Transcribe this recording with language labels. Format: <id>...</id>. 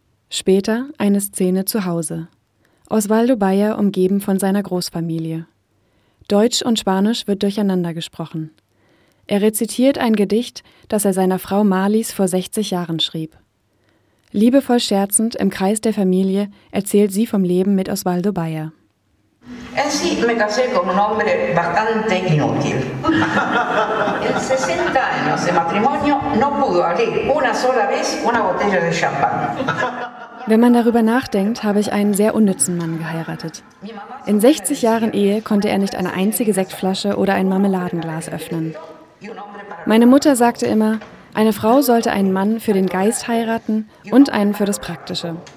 <de>Später eine Szene zu Hause. Osvaldo Bayer umgeben von seiner Großfamilie. Deutsch und Spanisch wird durcheinander gesprochen. Er rezitiert ein Gedicht, das er seiner Frau Marlies vor 60 Jahren schrieb. Liebevoll scherzend im Kreis der Familie erzählt sie vom Leben mit Osvaldo Bayer.</de> <es>En sí, me casé con un hombre bastante inútil. En 60 años de matrimonio no pudo abrir una sola vez una botella de champán.</es> <de>Wenn man darüber nachdenkt, habe ich einen sehr unnützen Mann geheiratet. In 60 Jahren Ehe konnte er nicht eine einzige Sektflasche oder ein Marmeladenglas öffnen. Meine Mutter sagte immer, eine Frau sollte einen Mann für den Geist heiraten und einen für das Praktische.</de>